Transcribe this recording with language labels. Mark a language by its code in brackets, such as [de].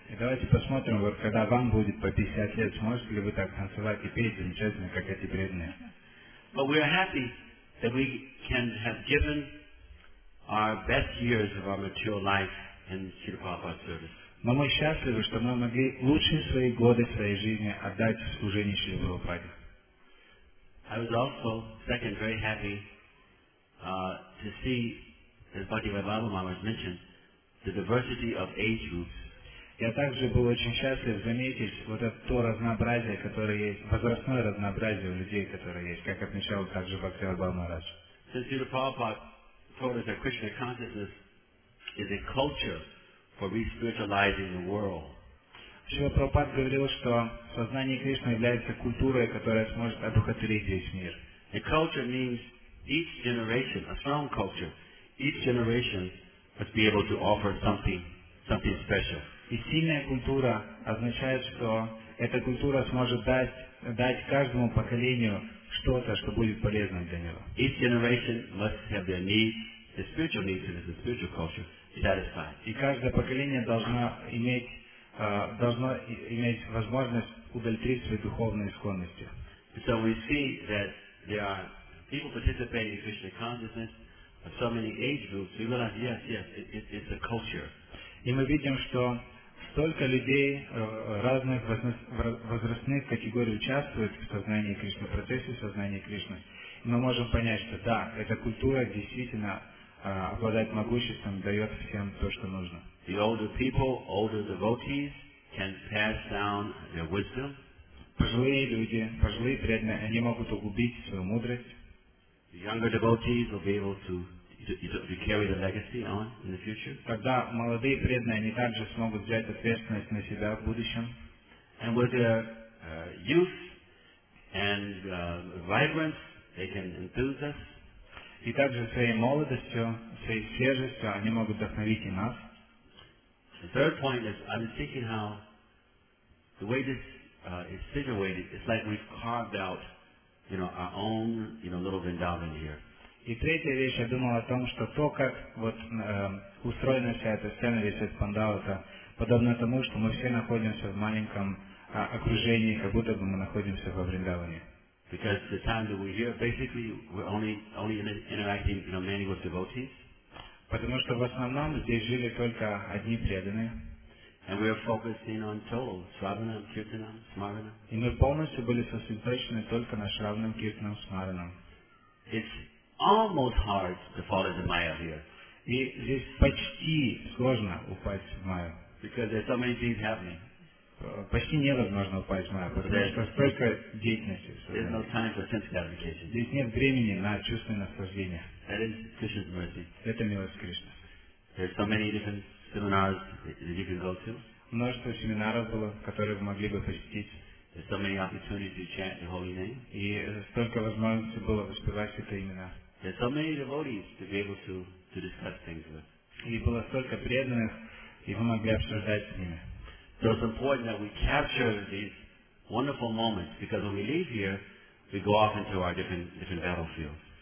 [ru] Давайте посмотрим, когда вам будет по 50 лет, сможете ли вы так танцевать и петь замечательно, как эти преданные. [en] But we are happy that we can have given our best years of our material life in Srila Prabhupada's service. [ru] Но мы счастливы, что мы могли лучшие свои годы своей жизни отдать в служение Шри Прабхупаде. [en] I was also, second, very happy to see, as Bhaktivinoda Baba Maharaj mentioned, the diversity of age groups. [ru] Я также был очень счастлив заметить вот это то разнообразие, которое есть, возрастное разнообразие у людей, которые есть, как отмечал также Бхактивинода Баба Махарадж. [en] Since Srila Prabhupada told us that Krishna consciousness is a culture for re-spiritualizing the world. [ru] Шрила Прабхупада говорил, что сознание Кришны является культурой, которая сможет одухотворить весь мир. [en] A culture means each generation, a strong culture. Each generation must be able to offer something special. [ru] И сильная культура означает, что эта культура сможет дать каждому поколению что-то, что будет полезным для него. [en] Each generation must have their needs, the spiritual needs and the spiritual culture satisfied. [ru] И каждое поколение должно иметь возможность удовлетворить свои духовные склонности. [en] So we see that there are people participating in Krishna consciousness of so many age groups. We realize, yes, it's a culture. [ru] И мы видим, что столько людей разных возрастных категорий участвуют в сознании Кришны, в процессе сознания Кришны. И мы можем понять, что да, эта культура действительно обладает могуществом, дает всем то, что нужно. [en] The older people, older devotees, can pass down their wisdom. [ru] Пожилые люди, пожилые преданные, они могут углубить свою мудрость. [en] The younger devotees will be able to carry the legacy on in the future. [ru] Тогда молодые преданные, они также смогут взять ответственность на себя в будущем. [en] And with their youth and vibrance, they can enthuse us. [ru] И также своей молодостью, своей свежестью, они могут вдохновить и нас. [en] The third point is, I'm thinking how the way this is situated, it's like we've carved out, you know, our own, you know, little Vrindavan here. [ru] И третья вещь, я думал о том, что то, как вот устроена вся эта сцена, весь этот пандаута, подобно тому, что мы все находимся в маленьком окружении, как будто бы мы находимся во Вриндаване. [en] Because the time that we're here, basically, we're only interacting, you know, mainly with devotees. [ru] Потому что в основном здесь жили только одни преданные. [en] And we are focusing on total, Shravanam, Kirtanam, Smaranam. [ru] И мы полностью были сосредоточены только на Shravanam, Kirtanam, Smaranam. [en] It's almost hard to fall into Maya here. [ru] И здесь почти сложно упасть в Майю. [en] Because there's so many things happening. [ru] Почти невозможно упасть в Майю, потому что столько деятельности. [en] There's no time for sense gratification. [ru] Здесь нет времени на чувственное наслаждение. [en] That is Krishna's mercy. [ru] Это милость Кришны. [en] There's so many different seminars that you can go to. [ru] Множество семинаров было, которые вы могли бы посетить. [en] There's so many opportunities to chant the holy name. [ru] И столько возможностей было воспевать святые имена. [en] There's so many devotees to be able to discuss things with. [ru] И было столько преданных, и вы могли обсуждать с ними. [en] So it's important that we capture these wonderful moments, because when we leave here, we go off into our different battlefields.